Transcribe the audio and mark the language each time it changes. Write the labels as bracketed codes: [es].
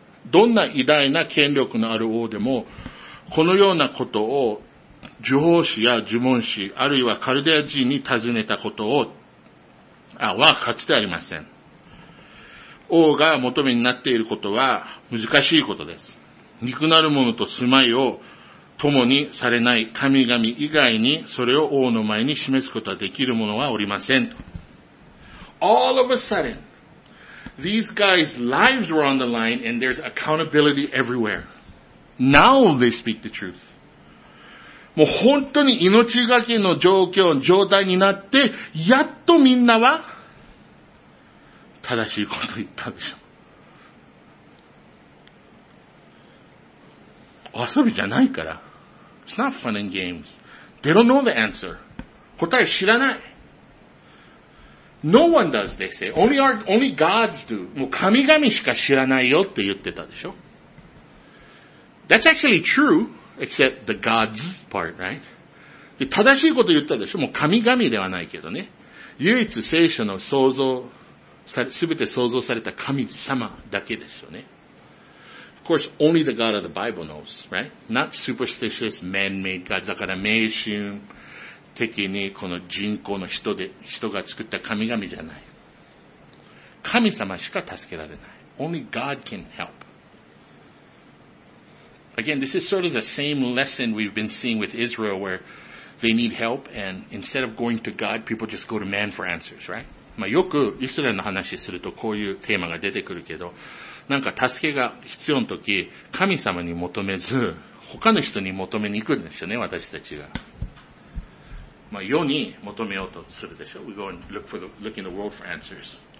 [ja] どんな偉大な権力のある王でも、このようなことを呪法師や呪文師、あるいはカルデア人に尋ねたことを、はかつてありません。王が求めになっていることは難しいことです。肉なる者と住まいを共にされない神々以外にそれを王の前に示すことはできる者はおりません。と。 [en] All of a sudden, these guys' lives were on the line and there's accountability everywhere. Now they speak the truth. [ja] もう本当に命がけの状況、状態になって、やっとみんなは、正しいことを言ったんでしょう。遊びじゃないから。 [en] It's not fun and games. They don't know the answer. [ja] 答え知らない。 [en] No one does, they say. Only gods do. [ja] もう神々しか知らないよって言ってたでしょ。 [en] That's actually true. Except the God's part, right? [ja] で、正しいこと言ったでしょ？もう神々ではないけどね。唯一聖書の創造され、すべて創造された神様だけですよね。 [en] Of course, only the God of the Bible knows, right? Not superstitious man-made gods. [ja] だから迷信的にこの人工の人が作った神々じゃない。神様しか助けられない。 [en] Only God can help. Again, this is sort of the same lesson we've been seeing with Israel where they need help and instead of going to God, people just go to man for answers, right? [ja] まあ、よくイスラエルの話するとこういうテーマが出てくるけど、なんか助けが必要の時、神様に求めず、他の人に求めに行くんですよね、私たちが。まあ、世に求めようとするでしょ。 [en] We go and look in the world for answers.